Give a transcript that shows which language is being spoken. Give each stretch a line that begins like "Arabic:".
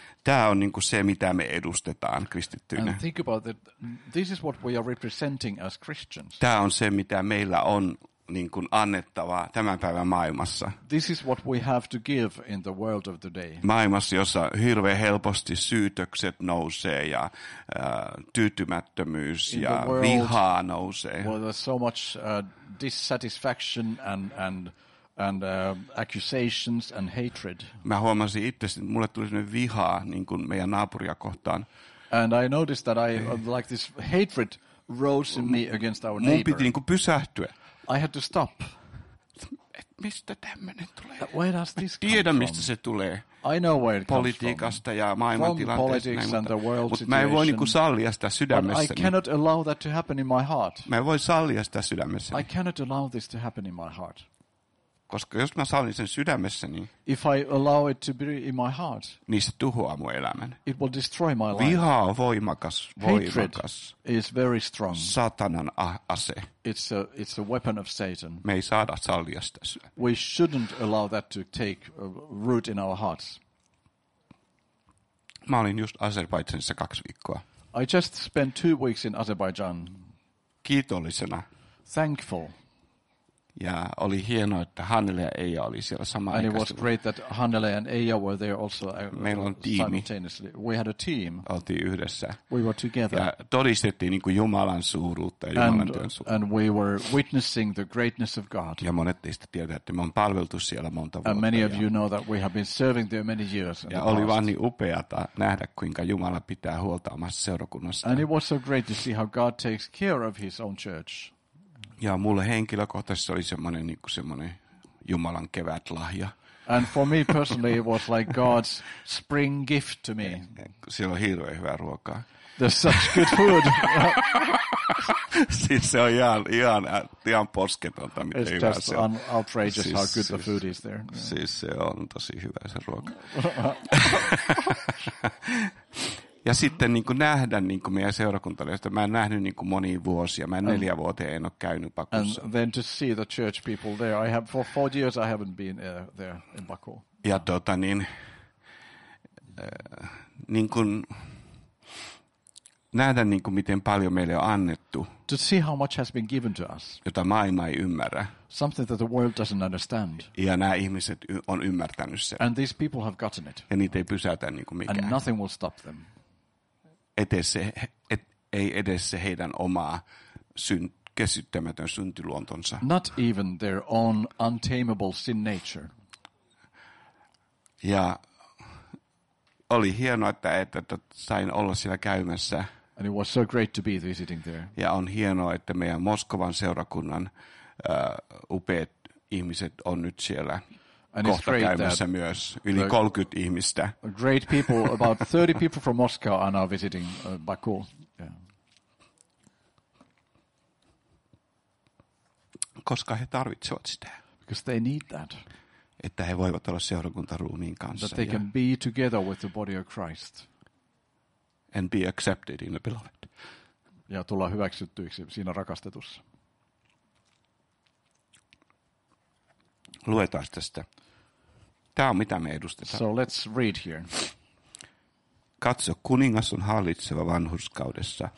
Finnish: tämä on niin kuin se, mitä me edustetaan kristittyinä.
English: And think about that. This is what we are representing as Christians.
Finnish: Tämä on se, mitä meillä on niin kuin annettavaa tämän päivän maailmassa.
English: This is what we have to give in the world of the day.
Finnish: Maailmassa, jossa hirveän helposti syytökset nousee ja tyytymättömyys
English: in
Finnish: ja vihaa nousee.
English: Well, there's so much dissatisfaction and accusations and hatred.
Finnish: Mä huomasin itse, että mulle tuli semmoinen vihaa niin kuin meidän naapuria kohtaan.
English: And I noticed that I like this hatred rose in me against our neighbor.
Finnish: Mun piti niin kuin pysähtyä.
English: I had to stop.
Finnish: Et mistä tämmöinen tulee?
English: Where does this come
Finnish: tiedän,
English: from?
Finnish: Mistä se tulee.
English: I know where it comes from.
Finnish: Politiikasta ja maailmantilanteesta.
English: From politics and the world situation.
Finnish: Mä en voi niin kuin sallia sitä sydämessäni.
English: But I cannot allow that to happen in my heart.
Finnish: Mä en voi sallia sitä sydämessäni.
English: I cannot allow this to happen in my heart.
Finnish: Koska jos mä sallin sen sydämessäni,
English: if I allow it to be in my heart,
Finnish: niin se tuhoaa mun elämän.
English: It will destroy my life.
Finnish: Viha on voimakas, voimakas.
English: Hatred is very strong.
Finnish: Satanan ase.
English: It's a weapon of Satan.
Finnish: Me ei saada sallia sitä.
English: We shouldn't allow that to take root in our hearts.
Finnish: Mä olin just Azerbaijanissa 2 viikkoa.
English: I just spent 2 weeks in Azerbaijan.
Finnish: Kiitollisena.
English: Thankful.
Finnish: Ja oli hienoa, että Hannele ja Eija oli siellä samaan aikaan.
English: And it was great that Hannele and Eija were there also.
Finnish: Meillä on tiimi.
English: We had a team.
Finnish: Oltiin yhdessä.
English: We were together.
Finnish: Ja todistettiin niin kuin Jumalan suuruutta ja Jumalan työn suuruutta.
English: And we were witnessing the greatness of God.
Finnish: Ja monet teistä tietää, että me on palveltu siellä monta vuotta.
English: And many of you know that we have been serving there many years.
Finnish: Ja oli vaan niin upeata nähdä, kuinka Jumala pitää huolta omassa seurakunnassa.
English: And it was so great to see how God takes care of his own church.
Finnish: Ja mulle henkilökohtaisesti oli semmoinen niinku semmoinen Jumalan kevätlahja.
English: And for me personally it was like God's spring gift to me.
Finnish: Siellä on hirveän hyvää ruokaa.
English: There's such good food.
Finnish: Siis se on ihan posketonta, miten
English: it's
Finnish: hyvä se on.
English: It's just outrageous how good the food is there. Yeah.
Finnish: Siis se on tosi hyvä se ruoka. Ja sitten niin kuin nähdä niin kuin meidän seurakuntalaisista. Mä en nähnyt niin kuin monia vuosia. Mä 4 vuoteen en ole käynyt Bakussa.
English: And then to see the church people there. I have, for 4 years I haven't been there in Baku.
Finnish: Ja tota niin, niin kuin nähdä niin kuin miten paljon meille on annettu.
English: To see how much has been given to us.
Finnish: Jota maailma ei ymmärrä.
English: Something that the world doesn't understand.
Finnish: Ja nämä ihmiset on ymmärtänyt sen.
English: And these people have gotten it.
Finnish: Ja niitä ei pysäytä niin kuin mikään.
English: And nothing will stop them.
Finnish: Ei edes se heidän omaa käsittämätön syntiluontonsa.
English: Not even their own untamable sin nature.
Finnish: Ja oli hienoa, että sain olla siellä käymässä.
English: And it was so great to be visiting there.
Finnish: Ja on hienoa, että meidän Moskovan seurakunnan upeat ihmiset on nyt siellä.
English: And
Finnish: kohta käymässä myös, yli 30 ihmistä.
English: Great people, about 30 people from Moscow are now visiting Baku. Yeah.
Finnish: Koska he tarvitsevat sitä.
English: Because they need that.
Finnish: Että he voivat olla seurakuntaruumiin kanssa.
English: That they can be together with the body of Christ. And be accepted in the beloved.
Finnish: Ja tulla hyväksyttyiksi siinä rakastetussa. Luetaan tästä. Tämä on mitä me edustetaan.
English: So let's read here.
Finnish: Katso, kuningas on hallitseva vanhurskaudessa.